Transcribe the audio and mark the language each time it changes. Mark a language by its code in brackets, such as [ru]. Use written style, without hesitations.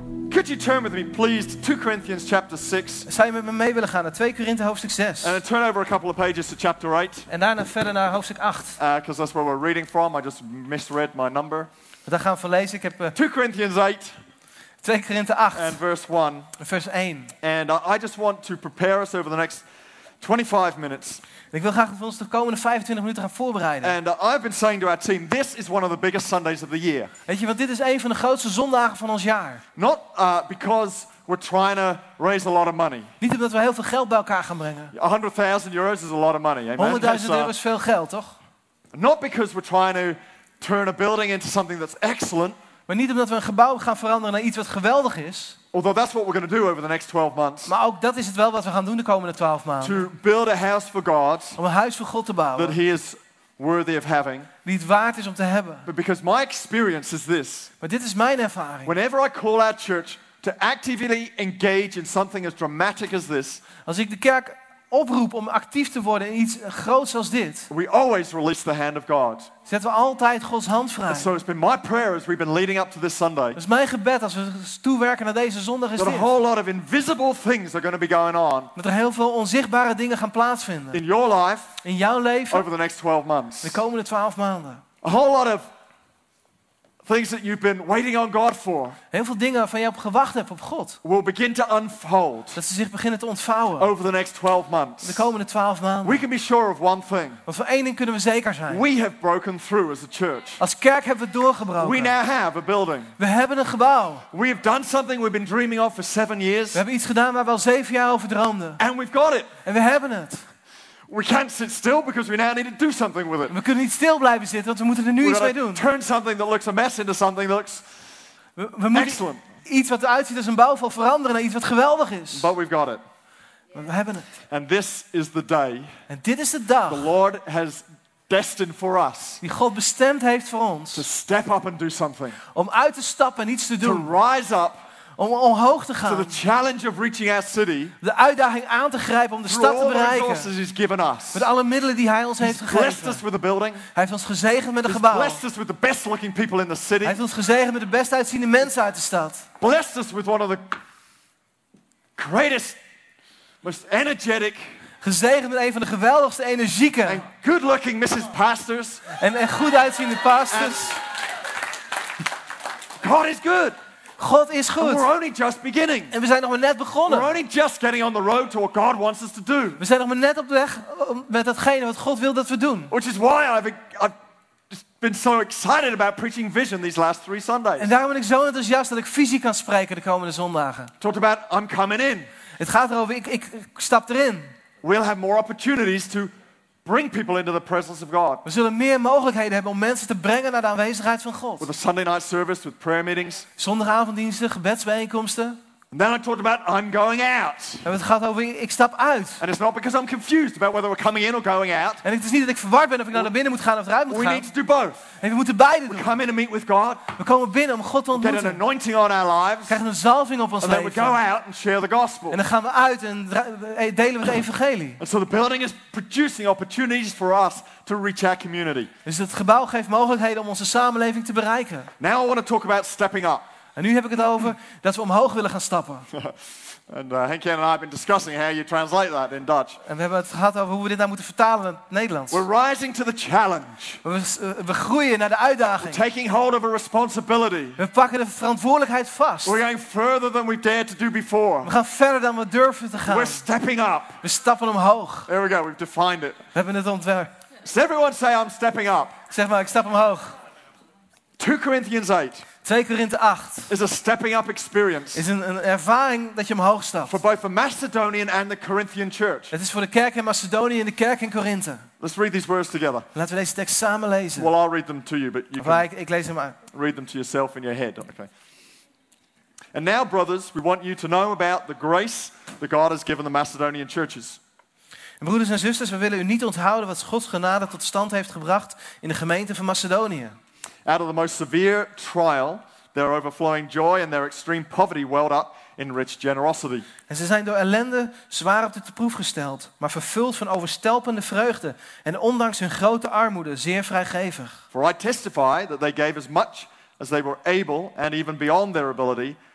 [en] Could you turn with me, please, to 2 Corinthians chapter 6? [nl] Zou je met me mee willen gaan naar 2 Corinthië hoofdstuk 6? [en] And turn over a couple of pages to chapter 8. [nl] En daarna verder naar hoofdstuk 8. [en] Because that's where we're reading from. I just misread my number. [nl] Daar gaan we van lezen. Ik heb [en] 2 Corinthians 8. [nl] 2 Corinthië 8. [en] And verse 1. [nl] Vers 1. [en] And I just want to prepare us over the next 25 minutes. [nl] Ik wil graag dat we ons de komende 25 minuten gaan voorbereiden. [en] And I've been saying to our team, this is one of the biggest Sundays of the year. [nl] Weet je, want dit is een van de grootste zondagen van ons jaar. [en] Not because we're trying to raise a lot of money. [nl] Niet omdat we heel veel geld bij elkaar gaan brengen. [en] 100.000 euros is a lot of money. [nl] 100.000 euro is veel geld, toch? [en] Not because we're trying to turn a building into something that's excellent. [nl] Maar niet omdat we een gebouw gaan veranderen naar iets wat geweldig is. [en] Although that's what we're going to do over the next 12 months. [nl] Maar ook dat is het wel wat we gaan doen de komende 12 maanden. [en] To build a house for God. [nl] Om een huis voor God te bouwen. [en] That He is worthy of having. [nl] Die het waard is om te hebben. [en] But because my experience is this. [nl] Maar dit is mijn ervaring. [en] Whenever I call our church to actively engage in something as dramatic as this. [nl] Als ik de kerk oproep om actief te worden in iets groots als dit. [en] We always release the hand of God. [nl] Zetten we altijd Gods hand vrij. [en] And so it's been my prayer as we've been leading up to this Sunday. [nl] Dus mijn gebed als we toewerken naar deze zondag is dit. [en] That a whole lot of invisible things are going to be going on. [nl] Dat er heel veel onzichtbare dingen gaan plaatsvinden. [en] In your life. [nl] In jouw leven. [en] Over the next 12 months. [nl] De komende 12 maanden. [en] A whole lot of things that you've been waiting on God for. [nl] Heel veel dingen van je op gewacht hebt op God. [en] Will begin to unfold. [nl] Dat ze zich beginnen te ontvouwen. [en] Over the next 12 months. [nl] De komende 12 maanden. [en] We can be sure of one thing. [nl] Want voor één ding kunnen we zeker zijn. [en] We have broken through as a church. [nl] Als kerk hebben we doorgebroken. [en] We now have a building. [nl] We hebben een gebouw. [en] We have done something we've been dreaming of for 7 years. [nl] We hebben iets gedaan waar we al 7 jaar over droomden. [en] And we've got it. [nl] En we hebben het. [en] We can't sit still because we now need to do something with it. [nl] We kunnen niet stil blijven zitten, want we moeten er nu iets mee doen. [en] Turn something that looks a mess into something that looks excellent. [nl] Iets wat eruit ziet als een bouwval veranderen naar iets wat geweldig is. [en] But we've got it. [nl] Maar we hebben het. [en] And this is the day. [nl] En dit is de dag. [en] The Lord has destined for us. [nl] Die God bestemd heeft voor ons. [en] To step up and do something. [nl] Om uit te stappen en iets te doen. [en] To rise up. [nl] Om omhoog te gaan. [en] To the challenge of reaching our city, [nl] de uitdaging aan te grijpen om de stad te bereiken. [en] All he's given us. [nl] Met alle middelen die Hij ons [en] he's [nl] heeft gegeven. [en] Blessed us with the building. [nl] Hij heeft ons gezegend met [en] he's [nl] een gebouw. [en] Blessed us with the best looking people in the city. [nl] Hij heeft ons gezegend met de best uitziende mensen uit de stad. [en] Blessed us with one of the greatest, most energetic. [nl] Gezegend met een van de geweldigste, energieke. [en] And good looking Mrs. Pastors. [nl] En goed uitziende pastors. [en] God is good. [nl] God is goed. [en] And we're only just beginning. [nl] En we zijn nog maar net begonnen. [en] We're only just getting on the road to what God wants us to do. [nl] We zijn nog maar net op de weg met datgene wat God wil dat we doen. [en] Which is why I've been so excited about preaching vision these last 3 Sundays. [nl] En daarom ben ik zo enthousiast dat ik visie kan spreken de komende zondagen. [en] Talked about I'm coming in. [nl] Het gaat erover ik stap erin. [en] We'll have more opportunities to bring people into the presence of God. [nl] We zullen meer mogelijkheden hebben om mensen te brengen naar de aanwezigheid van God. [en] With a Sunday night service, with prayer meetings. [nl] Zondagavonddiensten, gebedsbijeenkomsten. [en] And then I talked about I'm going out. [nl] En het gaat over ik stap uit. [en] And it's not because I'm confused about whether we're coming in or going out. [nl] En het is niet dat ik verward ben of ik naar binnen moet gaan of eruit moet gaan. [en] We need to do both. [nl] En we moeten beide doen. [en] We come in and meet with God. [nl] We komen binnen om God te ontmoeten. [en] Get an anointing on our lives. [nl] Krijgen een zalving op ons leven. [en] And then we go out and share the gospel. [nl] En dan gaan we uit en delen we het evangelie. [en] And so the building is producing opportunities for us to reach our community. [nl] Dus het gebouw geeft mogelijkheden om onze samenleving te bereiken. [en] Now I want to talk about stepping up. [nl] En nu heb ik het over dat we omhoog willen gaan stappen. [en] And Henk and I have been discussing how you translate that in Dutch. [nl] En we hebben het gehad over hoe we dit nou moeten vertalen in het Nederlands. [en] We're rising to the challenge. [nl] We groeien naar de uitdaging. [en] We're taking hold of a responsibility. [nl] We pakken de verantwoordelijkheid vast. [en] We're going further than we dared to do before. [nl] We gaan verder dan we durven te gaan. [en] We're stepping up. [nl] We stappen omhoog. [en] There we go. We've defined it. [nl] We hebben het ontwerp. [en] Does everyone say I'm stepping up? [nl] Zeg maar, ik stap omhoog. [en] 2 Corinthians 8. [nl] 2 Korinthe 8 [en] is a stepping up experience. [nl] Is een ervaring dat je omhoog stapt. [en] For both the Macedonian and the Corinthian church. [nl] Het is voor de kerk in Macedonië en de kerk in Korinthe. [en] Let's read these words together. [nl] Laten we deze tekst samen lezen. [en] Well, I'll read them to you, but you [nl] of [en] can [nl] ik lees hem uit. [en] Read them to yourself in your head. Okay. And now, brothers, we want you to know about the grace that God has given the Macedonian churches. [nl] En broeders en zusters, we willen u niet onthouden wat Gods genade tot stand heeft gebracht in de gemeente van Macedonië. [en] Out of the most severe trial, their overflowing joy and their extreme poverty welled up in rich generosity. [nl] En ze zijn door ellende zwaar op de proef gesteld, maar vervuld van overstelpende vreugde en ondanks hun grote armoede zeer vrijgevig. [en] For I testify that they gave as much as they were able and even beyond their ability